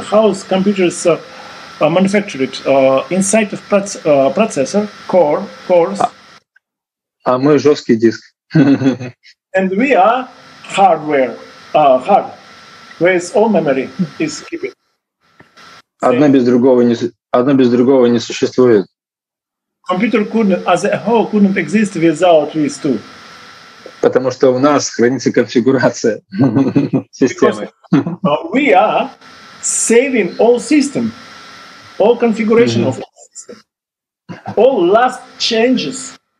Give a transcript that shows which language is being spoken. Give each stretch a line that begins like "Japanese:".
English: How is computers manufactured? Inside of processor, cores.
Russian: А мы жесткий диск.
English: And we are hardware. Hard. Where is all memory is kept.
Russian: Одно без другого не существует.
English: Computer couldn't, as a whole, couldn't exist without these two.
Russian: Потому что у нас хранится конфигурация системы.
English: We are saving all system, all configuration of all system, all last changes.